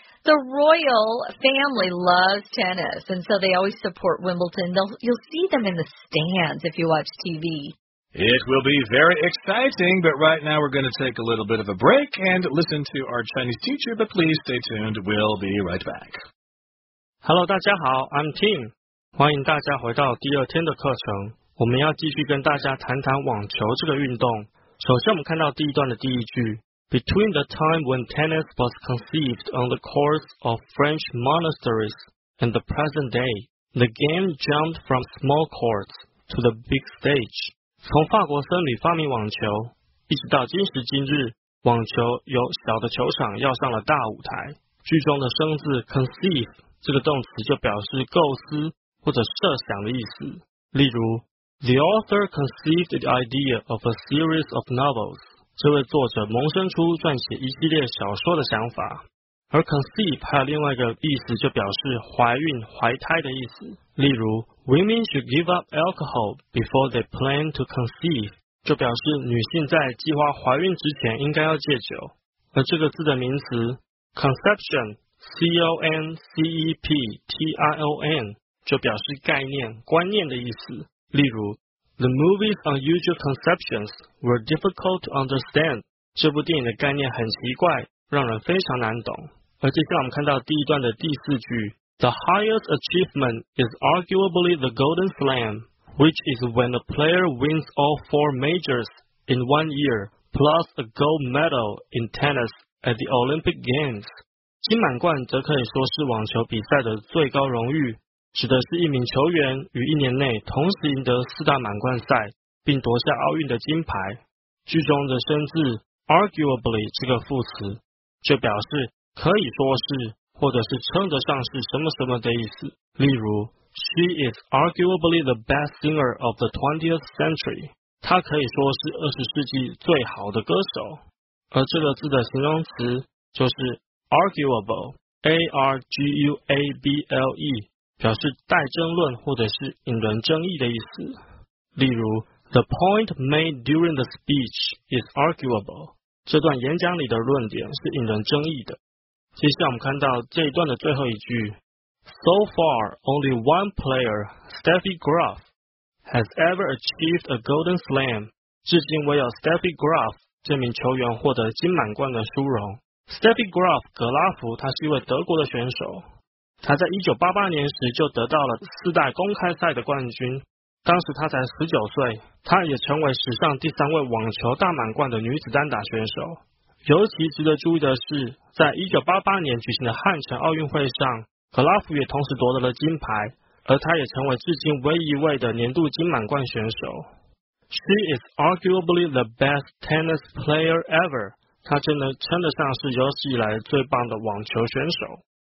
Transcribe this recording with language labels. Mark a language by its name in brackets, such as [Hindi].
[English] The royal family loves tennis, and so they always support Wimbledon. You'll see them in the stands if you watch TV. It will be very exciting, but right now we're going to take a little bit of a break and listen to our Chinese teacher, but please stay tuned. We'll be right back. Hello, 大家好, I'm Tim. [Chinese] 欢迎大家回到第二天的课程。我们要继续跟大家谈谈网球这个运动。首先我们看到第一段的第一句。 [English] Between the time when tennis was conceived on the courts of French monasteries and the present day, the game jumped from small courts to the big stage. [Chinese] 从法国僧侣发明网球，一直到今时今日，网球由小的球场要上了大舞台。句中的生字 conceive 这个动词就表示构思或者设想的意思。 [English] 例如 ,The author conceived the idea of a series of novels. [Chinese] 这位作者萌生出撰写一系列小说的想法，而 conceive 还有另外一个意思，就表示怀孕、怀胎的意思。 [English] 例如，Women should give up alcohol before they plan to conceive，就表示女性在计划怀孕之前应该要戒酒。 [Chinese] 而这个字的名词 conception， conception， 就表示概念、观念的意思。例如。 [English] The movie's unusual conceptions were difficult to understand. [Chinese] 这部电影的概念很奇怪，让人非常难懂。 [English] 而接下来我们看到第一段的第四句 The highest achievement is arguably the Golden Slam, which is when a player wins all four majors in one year, plus a gold medal in tennis at the Olympic Games. [Chinese] 金满贯则可以说是网球比赛的最高荣誉。指的是一名球员于一年内同时赢得四大满贯赛，并夺下奥运的金牌。句中的生字 arguably 这个副词，就表示可以说是或者是称得上是什么什么的意思。 [English] 例如，She is arguably the best singer of the 20th century。 [Chinese] 她可以说是二十世纪最好的歌手。而这个字的形容词就是 arguable，a r g u a b l e。表示待争论或者是引人争议的意思。 [English] 例如 ,The point made during the speech is arguable. [Chinese] 这段演讲里的论点是引人争议的。 [English] 接下来我们看到这一段的最后一句 ,So far, only one player, Steffi Graf, has ever achieved a Golden Slam. [Chinese] 至今唯有 Steffi Graf, 这名球员获得金满贯的殊荣。 Steffi Graf, 格拉夫他是一位德国的选手。他在1988年时就得到了四大公开赛的冠军，当时他才19岁，他也成为史上第三位网球大满贯的女子单打选手。尤其值得注意的是，在1988年举行的汉城奥运会上，格拉夫也同时夺得了金牌，而他也成为至今唯一一位的年度金满贯选手。 [English] She is arguably the best tennis player ever. [Chinese] 他真的称得上是有史以来最棒的网球选手。